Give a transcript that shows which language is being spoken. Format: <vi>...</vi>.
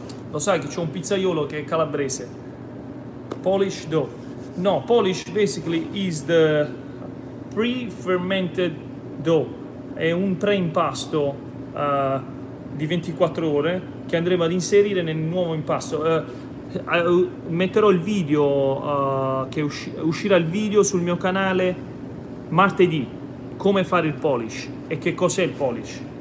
<it>Lo sai che c'è un pizzaiolo che è calabrese.</it> <en>Polish dough. No, Polish basically is the pre-fermented dough.</en> <it>È un preimpasto di 24 ore che andremo ad inserire nel nuovo impasto. Metterò il video uscirà il video sul mio canale martedì. Come fare il Polish e che cos'è il Polish?</it>